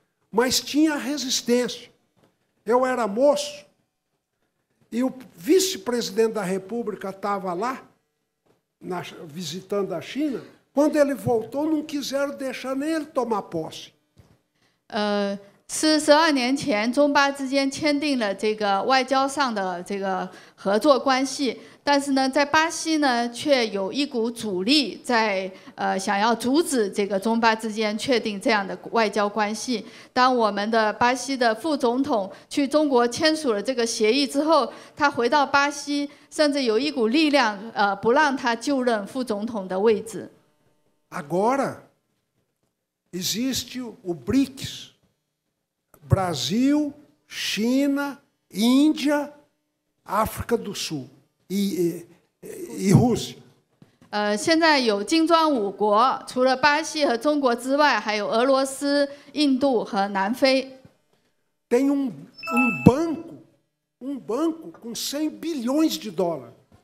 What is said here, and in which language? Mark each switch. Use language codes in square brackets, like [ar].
[pt] Mas tinha resistência. Eu era moço e o vice-presidente da República estava lá, visitando a China. Quando ele voltou, não quiseram deixar nem ele tomar posse. [zh] 42年前, 中巴之间签订了这个外交上的这个合作关系, 但是呢, 在巴西呢, 却有一股阻力, 在, 想要阻止这个中巴之间确定这样的外交关系, 当我们的巴西的副总统去中国签署了这个协议之后, 他回到巴西, 甚至有一股力量, 不让他就任副总统的位置。 [pt] Agora, existe o BRICS, Brasil, China, Índia, África do Sul e Rússia. [zh] 现在有金砖五国, 除了巴西和中国之外, 还有俄罗斯, 印度和南非。 [pt] Tem um banco com 100 bilhões de dólares.